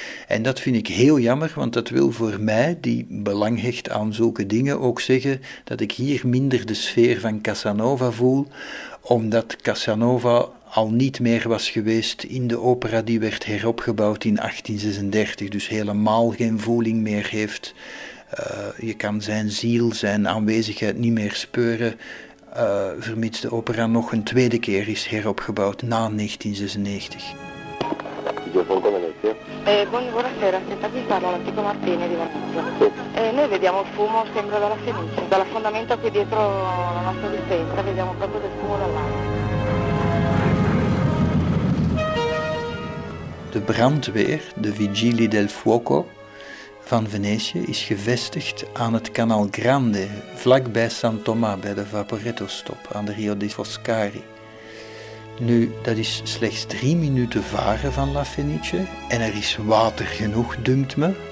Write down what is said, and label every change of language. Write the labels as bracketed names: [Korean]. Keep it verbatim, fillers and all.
[Dutch] En dat vind ik heel jammer, want dat wil voor mij, die belang hecht aan zulke dingen, ook zeggen dat ik hier minder de sfeer van Casanova voel, omdat Casanova al niet meer was geweest in de opera die werd heropgebouwd in achttien zesendertig, dus helemaal geen voeling meer heeft. Uh, je kan zijn ziel, zijn aanwezigheid niet meer speuren, uh, vermits de opera nog een tweede keer is heropgebouwd na negentien zesennegentig. [Italian] Eh, buonasera, senta qui parla l'antico Martini di Venezia. Eh, noi vediamo il fumo sempre dalla Fenice, dalla fondamenta qui dietro la nostra dispensa, vediamo proprio del fumo dall'alto. [Dutch] De brandweer, de Vigilie del Fuoco van Venetië, is gevestigd aan het Canal Grande, vlakbij San Tomà, bij de Vaporetto-stop aan de Rio dei Foscari. Nu, dat is slechts drie minuten varen van La Fenice en er is water genoeg, dunkt me.